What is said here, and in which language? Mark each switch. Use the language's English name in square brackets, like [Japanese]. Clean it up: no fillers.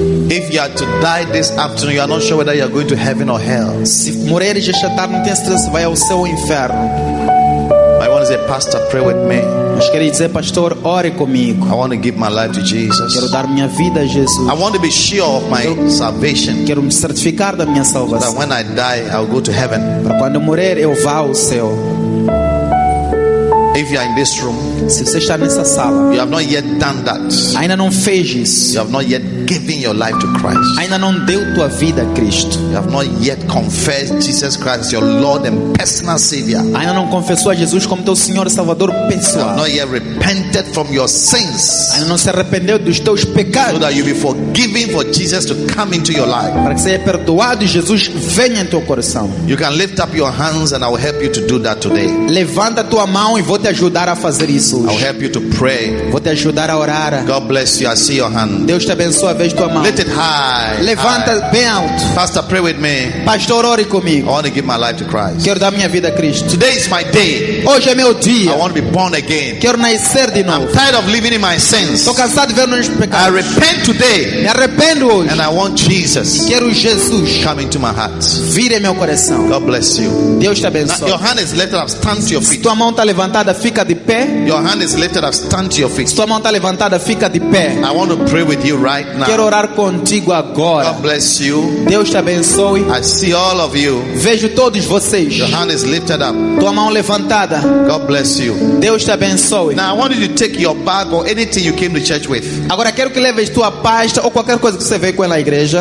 [English] If you are to die this afternoon, you are not sure whether you are going to heaven or hell. [Portuguese] Se morreres esta tarde, não tens certeza se vai ao céu ou ao inferno. [English] I want to say, Pastor, pray with me. [Portuguese] Mas quero dizer, pastor, ore comigo. [English] I want to give my life to Jesus. [Portuguese] Quero dar minha vida a Jesus. [English] I want to be sure of my salvation. [Portuguese] Quero me certificar da minha salvação. [English] So that when I die, I'll go to heaven. [Portuguese] Para quando morrer, eu vá ao céu. [English] If you are in this room, [Portuguese] se você está nessa sala, [English] you have not yet done that. [Portuguese] Ainda não fez isso. [English] You have not yet given your life to Christ. [Portuguese] Ainda não deu tua vida a Cristo. [English] You have not yet confessed Jesus Christ as your Lord and personal Savior. [Portuguese] Ainda não confessou a Jesus como teu Senhor e Salvador pessoal. [English] You have not yet repented from your sins. [Portuguese] Ainda não se arrependeu dos teus pecados. [English] So that you be forgiven for Jesus to come into your life. [Portuguese] Para que seja perdoado e Jesus venha em teu coração. [English] You can lift up your hands and I will help you to do that today. [Portuguese] Levanta tua mão e vou te ajudar a fazer isso hoje. [English] I'll help you to pray. [Portuguese] Vou te ajudar a orar. [English] God bless you. I see your hand. [Portuguese] Deus te abençoe, vejo tua mão. [English] Lift it high. [Portuguese] Levanta [English] high. [Portuguese] Bem alto. [English] Pastor, pray with me. [Portuguese] Pastor, ore comigo. [English] I want to give my life to Christ. [Portuguese] Quero dar minha vida a Cristo. [English] Today is my day. [Portuguese] Hoje é meu dia. [English] I want to be born again. [Portuguese] Quero nascer de novo. [English] I'm tired of living in my sins. [Portuguese] Tô cansado de viver nos pecados. [English] I repent today. [Portuguese] Me arrependo hoje. [English] And I want Jesus. [Portuguese] Quero Jesus. [English] Come into my heart. [Portuguese] Vire meu coração. [English] God bless you. [Portuguese] Deus te abençoe. [English] Your hand is lifted up. Stand to your feet. [Portuguese] Tua mão está levantada. Fica de pé. [English] Your hand is lifted up. Stand to your feet. [Portuguese] Sua mão está levantada. Fica de pé. [English] I want to pray with you right now. [Portuguese] Quero orar contigo agora. [English] God bless you. [Portuguese] Deus te abençoe. [English] I see all of you. [Portuguese] Vejo todos vocês. [English] Your hand is lifted up. [Portuguese] Tua mão levantada. [English] God bless you. [Portuguese] Deus te abençoe. [English] Now I want you to take your Bible, anything you came to church with. [Portuguese] Agora quero que leves tua pasta ou qualquer coisa que você veio com ela à igreja.